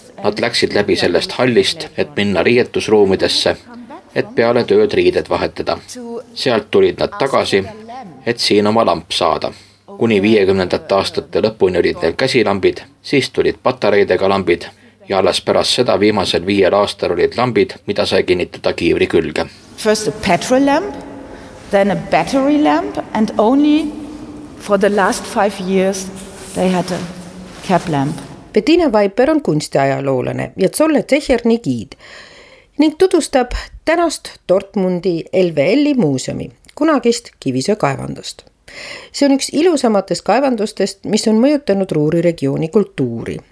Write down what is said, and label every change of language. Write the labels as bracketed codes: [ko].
[et] Nad läksid läbi sellest hallist, et minna riietusruumidesse, et peale tööd riided vahetada. Sealt tulid nad tagasi, et siin oma lamp saada. Kuni 50. aastate lõpuni olid neil käsilambid, siis tulid patareidega lambid ja alles pärast seda viimasel 5 aastal olid lambid, mida sai kinnitada kiivri külge. [en] First a petrol lamp, then a battery lamp and only for the last 5 years they had a cap lamp. [et] Bettina Viper on kunstiajaloolane ja Zolle Zecherni giid ning tutvustab tänast Dortmundi LVL-i muuseumi, kunagist kivisöe kaevandust. See on üks ilusamatest kaevandustest, mis on mõjutanud ruuriregiooni kultuuri.